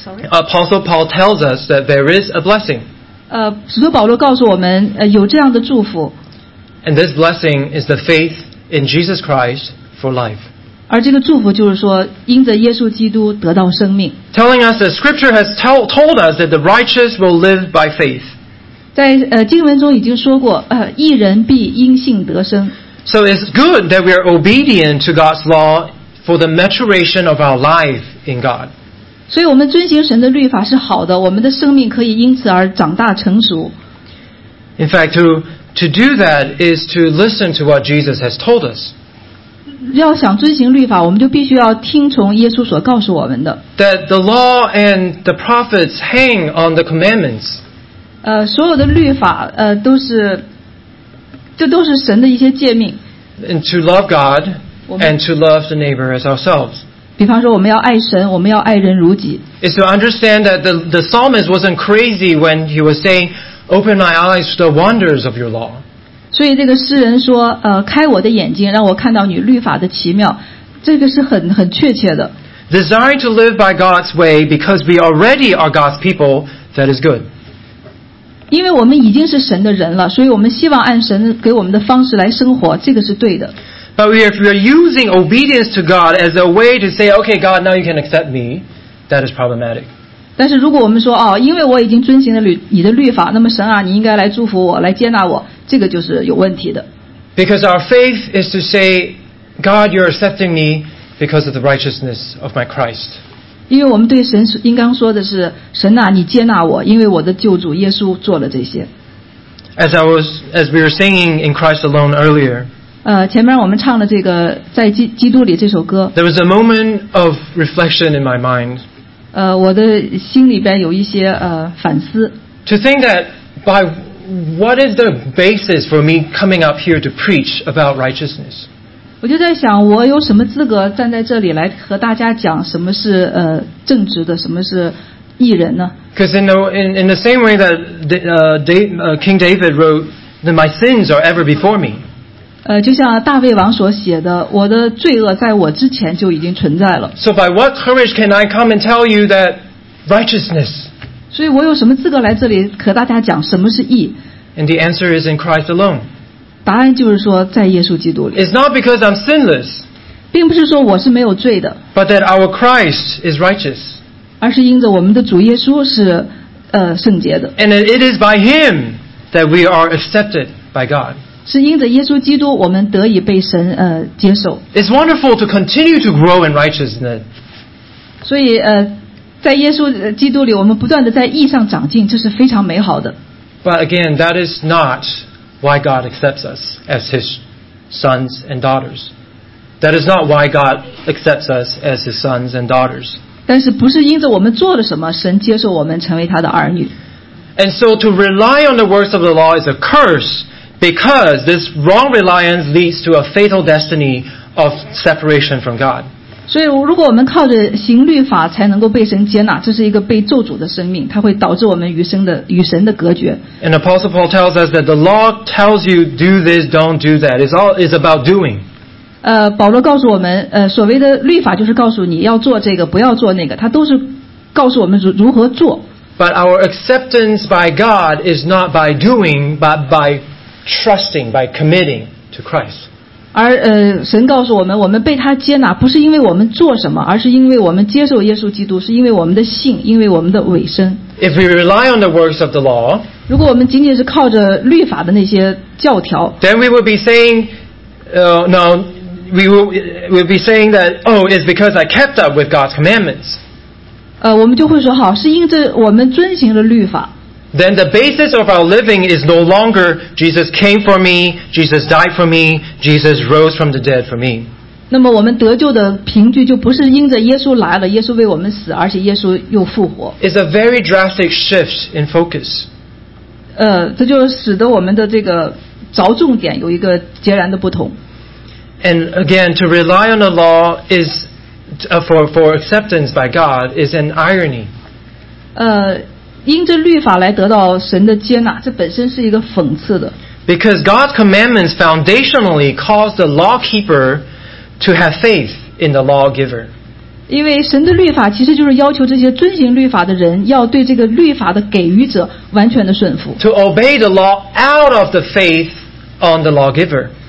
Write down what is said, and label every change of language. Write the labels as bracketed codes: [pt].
[en] Apostle Paul tells us that there is a blessing. [zh] 使徒保罗告诉我们，有这样的祝福。 [en] And this blessing is the faith in Jesus Christ for life. [zh] 而这个祝福就是说，因着耶稣基督得到生命。 [en] Telling us that Scripture has told us that the righteous will live by faith. [zh] 在经文中已经说过，义人必因信得生。 [en] So it's good that we are obedient to God's law for the maturation of our life in God. [zh] 所以我们遵行神的律法是好的，我们的生命可以因此而长大成熟。 [en] In fact, to do that is to listen to what Jesus has told us. [zh] 要想遵行律法，我们就必须要听从耶稣所告诉我们的。 [en] That the law and the prophets hang on the commandments. [zh] 所有的律法都是这都是神的一些诫命。 [en] And to love God and to love the neighbor as ourselves. [zh] 比方说我们要爱神，我们要爱人如己。 [en] It's to understand that the psalmist wasn't crazy when he was saying, open my eyes to the wonders of your law. [zh] 所以这个诗人说，开我的眼睛，让我看到你律法的奇妙，这个是很确切的。 [en] Desiring to live by God's way because we already are God's people, that is good. [zh] 因为我们已经是神的人了，所以我们希望按神给我们的方式来生活，这个是对的。 [en] But if we are using obedience to God as a way to say, okay, God, now you can accept me, that is problematic. [zh] 但是如果我们说，哦，因为我已经遵行了你的律法，那么神啊，你应该来祝福我，来接纳我，这个就是有问题的。 [en] Because our faith is to say, God, you're accepting me because of the righteousness of my Christ. [zh] 因为我们对神应当说的是，神啊，你接纳我，因为我的救主耶稣做了这些。 [en] As we were singing in Christ Alone earlier, [zh] 前面我们唱了这个在基督里这首歌。 [en] There was a moment of reflection in my mind. [zh] 我的心里边有一些反思。 [en] To think that by what is the basis for me coming up here to preach about righteousness? [zh] 我就在想，我有什么资格站在这里来和大家讲什么是正直的，什么是义人呢？ [en] Because in the same way that King David wrote that my sins are ever before me. [zh] 就像大卫王所写的，我的罪恶在我之前就已经存在了。 [en] So by what courage can I come and tell you that righteousness? [zh] 所以我有什么资格来这里和大家讲什么是义？ [en] And the answer is in Christ alone. [zh] 答案就是说在耶稣基督里。 [en] It's not because I'm sinless, [zh] 并不是说我是没有罪的。 [en] But that our Christ is righteous. [zh] 而是因着我们的主耶稣是圣洁的。 [en] And it is by him that we are accepted by God. [zh] 是因着耶稣基督我们得以被神接受。 [en] It's wonderful to continue to grow in righteousness. [zh] 所以在耶稣基督里我们不断地在义上长进，这是非常美好的。 [en] But again, that is not why God accepts us as His sons and daughters. That is not why God accepts us as His sons and daughters. [zh] 但是不是因着我们做了什么，神接受我们成为他的儿女。 [en] And so to rely on the works of the law is a curse, because this wrong reliance leads to a fatal destiny of separation from God. [zh] 所以如果我们靠着行律法才能够被神接纳，这是一个被咒诅的生命，它会导致我们与神的隔绝。 [en] And Apostle Paul tells us that the law tells you do this, don't do that. It's all is about doing. [zh] 保罗告诉我们，所谓的律法就是告诉你要做这个，不要做那个，它都是告诉我们如何做。 [en] But our acceptance by God is not by doing, but by trusting, by committing to Christ. [zh] 而神告诉我们，我们被他接纳，不是因为我们做什么，而是因为我们接受耶稣基督，是因为我们的信，因为我们的委身。 [en] If we rely on the works of the law, [zh] 如果我们仅仅是靠着律法的那些教条 [en] ，then we would be saying, no. We'll be saying that, oh, it's because I kept up with God's commandments. [zh] 我们就会说好，是因着我们遵循了律法。 [en] Then the basis of our living is no longer Jesus came for me, Jesus died for me, Jesus rose from the dead for me. [zh] 那么我们得救的凭据就不是因着耶稣来了，耶稣为我们死，而且耶稣又复活。 [en] It's a very drastic shift in focus. [zh] 这就使得我们的这个着重点有一个截然的不同。 [en] And again, to rely on the law is for acceptance by God is an irony. [zh] 因着律法来得到神的接纳，这本身是一个讽刺的。 [en] Because God's commandments foundationally caused the lawkeeper to have faith in the lawgiver. [zh] 因为神的律法其实就是要求这些遵行律法的人要对这个律法的给予者完全的顺服。 [en] To obey the law out of the faith on the lawgiver.